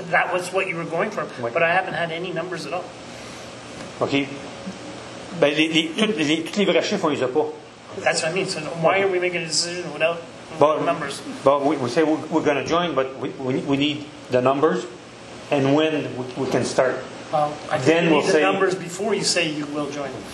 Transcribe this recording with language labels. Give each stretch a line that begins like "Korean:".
English: That was what you were going for, ouais. But I haven't had any numbers at all. OK.
French: Ben, tous les vrais chiffres, on les a pas.
English: That's what I mean. So why are we making a decision without the numbers? But we say we're going to join, but we need the numbers and when we can start. Well, I think you need the numbers before you say you will join.